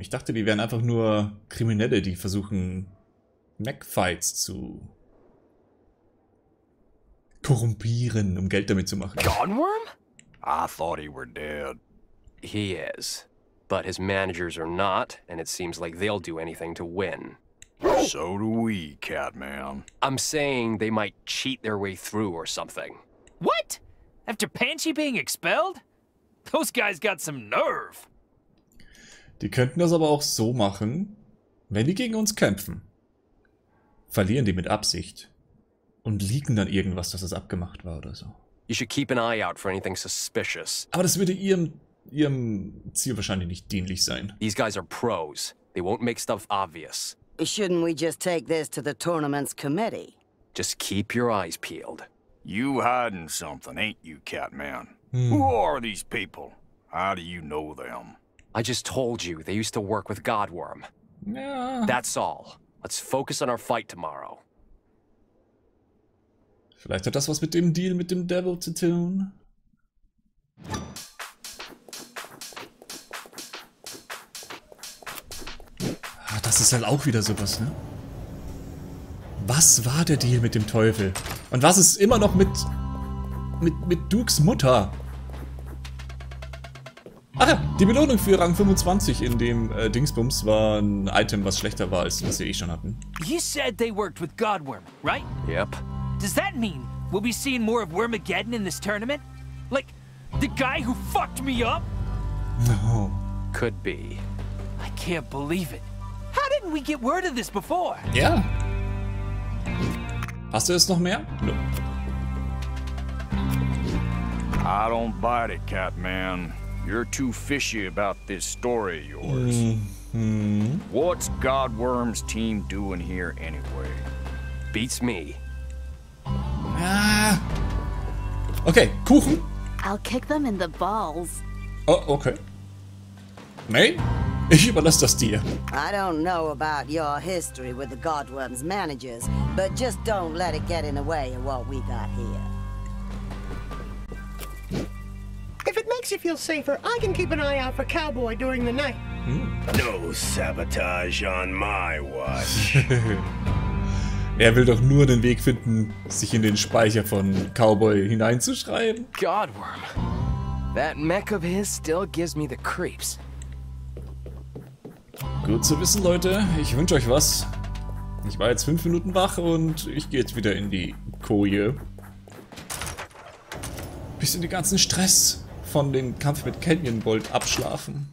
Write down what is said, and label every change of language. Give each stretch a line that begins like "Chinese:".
German: Ich dachte, die wären einfach nur Kriminelle, die versuchen, Mech-Fights zu korrumpieren, um Geld damit zu machen.
English: Godworm? I thought he were dead. He is. But his managers are not, and it seems like they'll do anything to win. So do we, Catman. I'm saying they might cheat their way through or something. What? After Panchi being expelled? Those guys got some nerve.
German: Die könnten das aber auch so machen, wenn die gegen uns kämpfen. Verlieren die mit Absicht und liegen dann irgendwas, dass das abgemacht war oder so.
English: You should keep an eye out for anything suspicious.
German: Aber das würde ihrem Ziel wahrscheinlich nicht dienlich sein.
English: These guys are pros. They won't make stuff obvious. Shouldn't we just take this to the tournament's committee? Just keep your eyes peeled. You hiding something, ain't you, Catman? Hmm. Who are these people? How do you know them? I just told you, they used to work with Godworm. Yeah. That's all. Let's focus on our fight tomorrow.
German: Vielleicht hat das was mit dem Deal mit dem Devil zu tun. Das ist halt auch wieder sowas, ne? Was war der Deal mit dem Teufel? Und was ist immer noch mit Dukes Mutter? Ach ja, die Belohnung für Rang 25 in dem Dingsbums war ein Item, was schlechter war als was wir eh schon hatten.
English: You said they worked with Godworm, right? Yep. Does that mean we'll be seeing more of Wormageddon in this tournament? Like the guy who fucked me up? No. Could be. I can't believe it. How didn't we get word of this before? Yeah.
German: Hast du es noch mehr? No.
English: I don't bite it, Catman. You're too fishy about this story of yours. Mm-hmm. What's Godworm's team doing here anyway? Beats me.
German: Ah. Okay, Kuchen.
English: I'll kick them in the balls.
German: Oh, okay. May? Ich überlasse das dir.
English: I don't know about your history with the Godworm's managers, but just don't let it get in the way of what we got here. If it makes you feel safer, I can keep an eye out for Cowboy during the night. Hmm. No sabotage on my watch.
German: Er will doch nur den Weg finden, sich in den Speicher von Cowboy hineinzuschreiben.
English: Godworm. That mech of his still gives me the creeps.
German: Gut zu wissen, Leute. Ich wünsche euch was. Ich war jetzt 5 Minuten wach und ich gehe jetzt wieder in die Koje. Bisschen den ganzen Stress von dem Kampf mit Canyon Bolt abschlafen.